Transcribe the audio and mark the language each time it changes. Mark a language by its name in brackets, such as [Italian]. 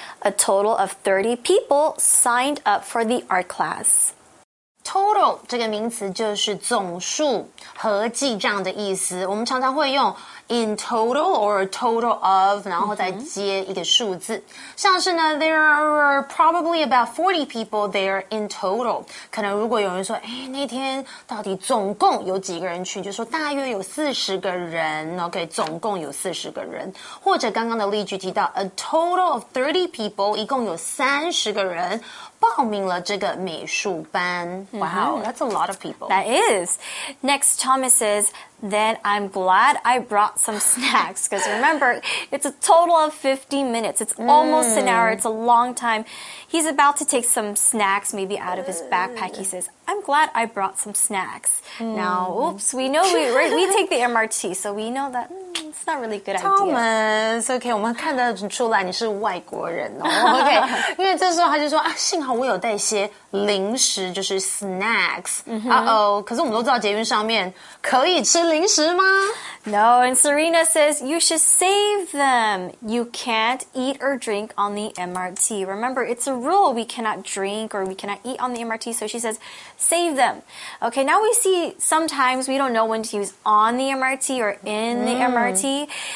[English] A total of 30 people signed up for the art class. [Chinese] Total 这个名词就是总数、合计这样的意思。我们常常会用 [English] in total or total of, [Chinese] 然后再接一个数字。Mm-hmm. 像是呢 [English] there are probably about 40 people there in total. [Chinese] 可能如果有人说、哎、那天到底总共有几个人去就说大约有40个人。 OK, 总共有40个人。或者刚刚的例句提到 [English] a total of 30 people, [Chinese] 一共有30个人。报名了这个美术班。 [English] Wow, mm-hmm. that's a lot of people. That is. Next, Thomas says, then I'm glad I brought some snacks. Because remember, it's a total of 50 minutes. It's almost an hour. It's a long time. He's about to take some snacks maybe out of his backpack. He says, I'm glad I brought some snacks. Now, oops, we know we take the MRT, so we know that... It's not really a good idea. [Chinese] Thomas, okay, 我们看得出来你是外国人哦。 OK, 因为这时候他就说啊，幸好我有带一些零食，就是 snacks. Uh-oh, 可是我们都知道捷运上面可以吃零食吗？ [English] No, and Serena says, you should save them. You can't eat or drink on the MRT. Remember, it's a rule. We cannot drink or we cannot eat on the MRT. So she says, save them. Okay, now we see sometimes we don't know when to use on the MRT or in the MRT.